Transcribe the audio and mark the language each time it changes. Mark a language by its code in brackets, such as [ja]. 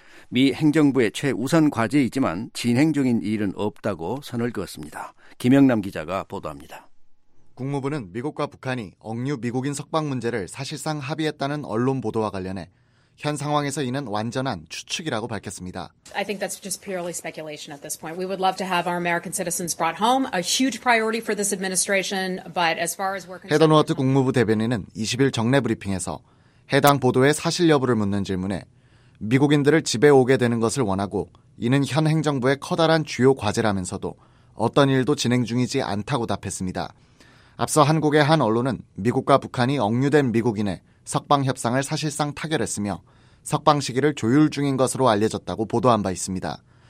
[ko] 미 행정부의 최우선 과제이지만 진행 중인 일은 없다고 선을 그었습니다. 김영남 기자가 보도합니다. 국무부는 미국과 북한이 억류 미국인 석방 문제를 사실상 합의했다는 언론 보도와 관련해 현 상황에서 이는 완전한 추측이라고 밝혔습니다. [en] I think that's just purely speculation at this point. We would love to have our American citizens brought home, a huge priority for this administration, but as far as we're concerned. [ko] 헤더 노어트 국무부 대변인은 20일 정례 브리핑에서 해당 보도의 사실 여부를 묻는 질문에 미국인들을 집에 오게 되는 것을 원하고 이는 현 행정부의 커다란 주요 과제라면서도 어떤 일도 진행 중이지 않다고 답했습니다. 앞서 한국의 한 언론은 미국과 북한이 억류된 미국인의 석방 협상을 사실상 타결했으며 석방 시기를 조율 중인 것으로 알려졌다고 보도한 바 있습니다.